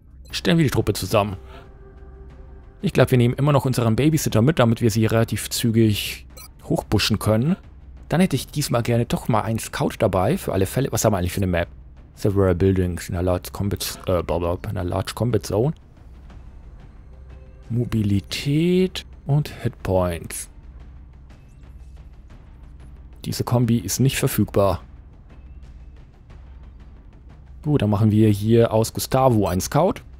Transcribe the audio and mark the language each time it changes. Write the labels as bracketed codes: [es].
[de] Stellen wir die Truppe zusammen. Ich glaube, wir nehmen immer noch unseren Babysitter mit, damit wir sie relativ zügig hochpushen können. Dann hätte ich diesmal gerne doch mal einen Scout dabei, für alle Fälle. Was haben wir eigentlich für eine Map? [en] Several buildings in a large combat, in a large combat zone. [de] Mobilität und Hitpoints. Diese Kombi ist nicht verfügbar. Gut, dann machen wir hier aus Gustavo einen Scout.